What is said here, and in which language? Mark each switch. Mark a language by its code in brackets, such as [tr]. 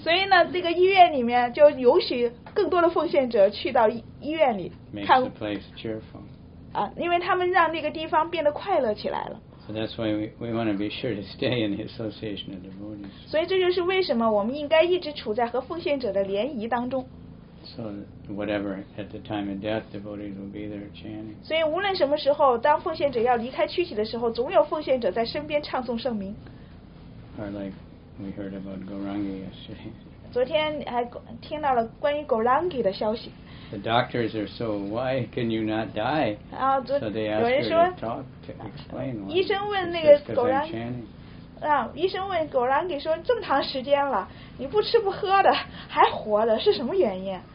[zh] 所以呢，这个医院里面就允许更多的奉献者去到医院里。 [en] Makes the place cheerful. [zh] 因为他们让那个地方变得快乐起来了。 [en] So that's why we want to be sure to stay in the association of devotees. [zh] 所以这就是为什么我们应该一直处在和奉献者的联谊当中。 [en] So whatever at the time of death, devotees will be there chanting. [zh] 所以无论什么时候，当奉献者要离开躯体的时候，总有奉献者在身边唱诵圣名。 [en] Or like we heard about Gaurangi yesterday. [zh] 昨天还听到了关于 Gaurangi 的消息。 [en] The doctors are so, why can you not die? So they ask her to talk, to explain why. [zh] 医生问那个狗狼，医生问狗狼给说，这么长时间了，你不吃不喝的，还活的，是什么原因？